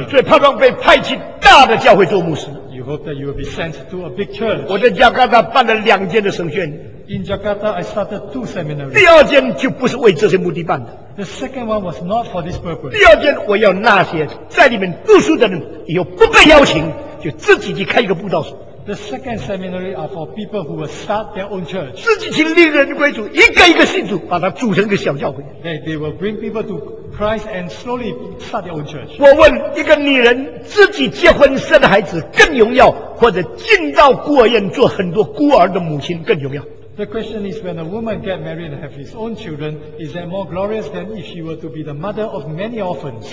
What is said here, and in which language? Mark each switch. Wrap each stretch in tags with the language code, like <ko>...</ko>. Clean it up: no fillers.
<zh>你最盼望被派去大的教会做牧师。</zh> <en>You hope that you will be sent to a big church.</en> <zh>我在加拉大办了2间的神学院。</zh> <en>In Jakarta, I started 2 seminaries.</en> <zh>第二间就不是为这些目的办的。</zh> <en>The second one was not for this purpose.</en> <zh>第二间我要那些在里面读书的人，以后不被邀请，就自己去开一个布道所。</zh> <en>The second seminary are for people who will start their own church.</en> <zh>自己去立人归主，一个一个信主，把它组成一个小教会。</zh> <en>They will bring people to Christ and slowly start their own church.</en> <zh>我问一个女人，自己结婚生孩子更荣耀，或者进到孤儿院做很多孤儿的母亲更荣耀？</zh> <en>The question is, when a woman get married and have his own children, is that more glorious than if she were to be the mother of many orphans?</en>